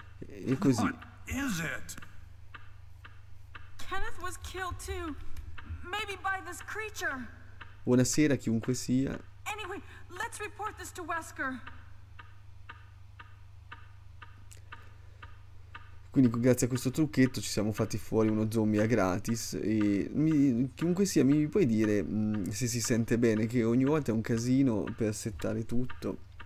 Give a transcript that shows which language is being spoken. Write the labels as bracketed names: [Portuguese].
[Italian] E così. [English] What is it? Kenneth was killed too. Maybe by this creature. [Italian] Buonasera, chiunque sia. [English] Anyway, let's report this to Wesker. [Italian] Quindi grazie a questo trucchetto ci siamo fatti fuori uno zombie a gratis. E chiunque sia, mi puoi dire se si sente bene, che ogni volta è un casino per settare tutto.